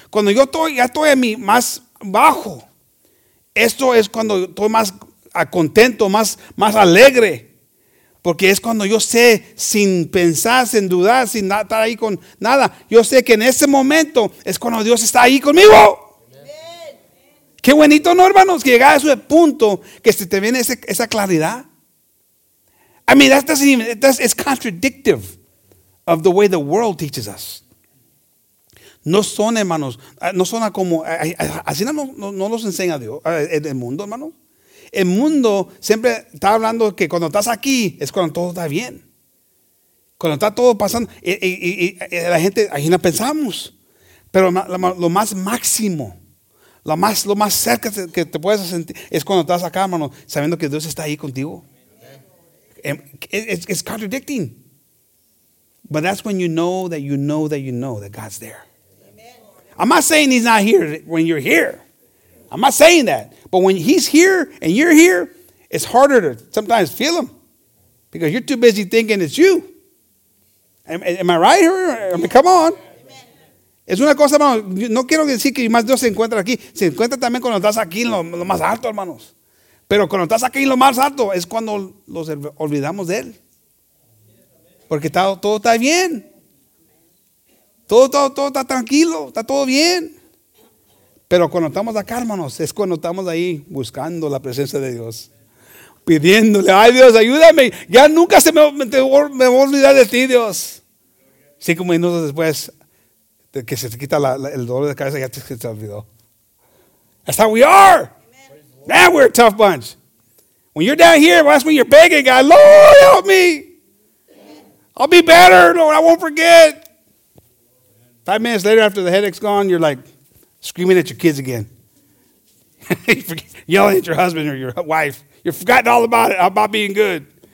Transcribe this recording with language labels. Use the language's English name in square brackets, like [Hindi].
[Spanish] Cuando yo ya estoy a mi más bajo, esto es cuando estoy más contento, más alegre. Porque es cuando yo sé, sin pensar, sin dudar, sin estar ahí con nada, yo sé que en ese momento es cuando Dios está ahí conmigo. Amen. Qué bonito, ¿no, hermanos? Que llegar a ese punto que se te viene esa claridad. [English] I mean, that doesn't even, it's contradictive of the way the world teaches us. [Spanish] No son, hermanos, no son como, así no los enseña Dios, el mundo, hermanos. El mundo siempre está hablando que cuando estás aquí es cuando todo está bien. Cuando está todo pasando, y la gente, ahí no pensamos. Pero lo más máximo, lo más cerca que te puedes sentir es cuando estás acá, hermano, sabiendo que Dios está ahí contigo. [English] It's contradicting. But that's when you know that God's there. I'm not saying he's not here when you're here. I'm not saying that. But when he's here and you're here, it's harder to sometimes feel him because you're too busy thinking it's you. Am I right here? I mean, come on. [Spanish] Es una cosa, hermano. No quiero decir que más Dios se encuentra aquí. Se encuentra también cuando estás aquí en lo más alto, hermanos. Pero cuando estás aquí en lo más alto, es cuando los olvidamos de él. Porque todo está bien. Todo está tranquilo, está todo bien. Pero cuando estamos acá, hermanos, es cuando estamos ahí buscando la presencia de Dios. Pidiéndole, ay Dios, ayúdame. Ya nunca me voy a olvidar de ti, Dios. 5 minutos después, que se te quita el dolor de cabeza, ya se te olvidó. [English] That's how we are. Man, we're a tough bunch. When you're down here, that's when you're begging God, Lord, help me. I'll be better, Lord, I won't forget. 5 minutes later, after the headache's gone, you're like screaming at your kids again. Yelling at your husband or your wife. You've forgotten all about it, about being good.